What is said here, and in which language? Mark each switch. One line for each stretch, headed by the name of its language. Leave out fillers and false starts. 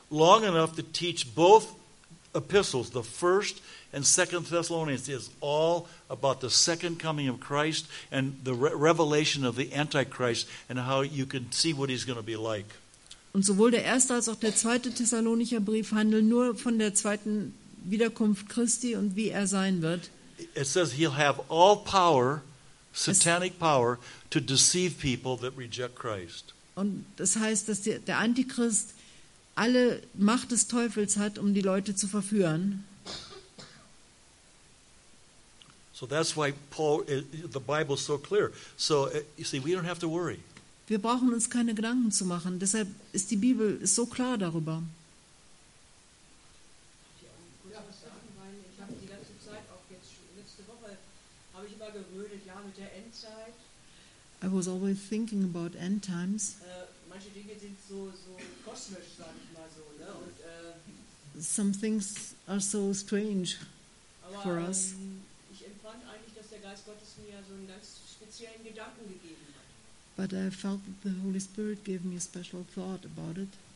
English: Long enough to teach both epistles, the first and second Thessalonians, is all about the second coming of Christ and the revelation of the Antichrist and how you can see what he's going to be like.
German: Und sowohl der erste als auch der zweite Thessalonicher Brief handeln nur von der zweiten Wiederkunft Christi und wie er sein wird.
English: It says he'll have all power, satanic power, to deceive people that reject Christ.
German: Und das heißt, dass der Antichrist alle Macht des Teufels hat, um die Leute zu verführen.
English: So that's why Paul, the Bible is so clear. So you see, we don't have to worry.
German: Wir brauchen uns keine Gedanken zu machen. Deshalb ist die Bibel ist so klar darüber. Ich habe die ganze Zeit, auch jetzt letzte Woche, habe ich immer gerödelt, ja, mit der Endzeit.
English: I was always thinking about end times.
German: Manche Dinge sind so kosmisch, sage ich mal so. Ne? Und,
English: some things are so strange for us.
German: Ich empfand eigentlich, dass der Geist Gottes mir so einen ganz speziellen Gedanken gegeben hat.
English: But I felt that the Holy Spirit gave me a special thought about it.